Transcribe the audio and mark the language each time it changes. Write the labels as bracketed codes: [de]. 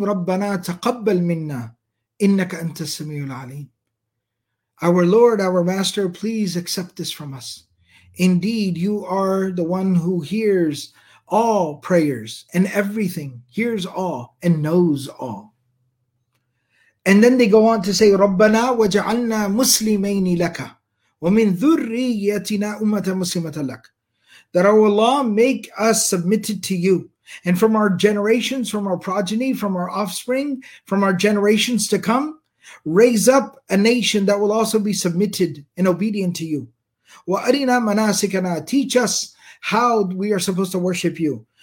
[ar] رَبَّنَا تَقَبَّلْ مِنَّا إِنَّكَ أَنْتَ السَّمِيعُ الْعَلِيمُ. [en] Our Lord, our Master, please accept this from us. Indeed, you are the one who hears all prayers and everything, hears all and knows all. And then they go on to say, [ar] رَبَّنَا وَجَعَلْنَا مُسْلِمَيْنِ لَكَ وَمِنْ ذُرِّيَّتِنَا أُمَّةً مُسْلِمَةً لَكَ. [en] That our Allah make us submitted to you. And from our generations, from our progeny, from our offspring, from our generations to come, raise up a nation that will also be submitted and obedient to you. [ar] وَأَرِنَا مَنَاسِكَنَا. [en] Teach us how we are supposed to worship you.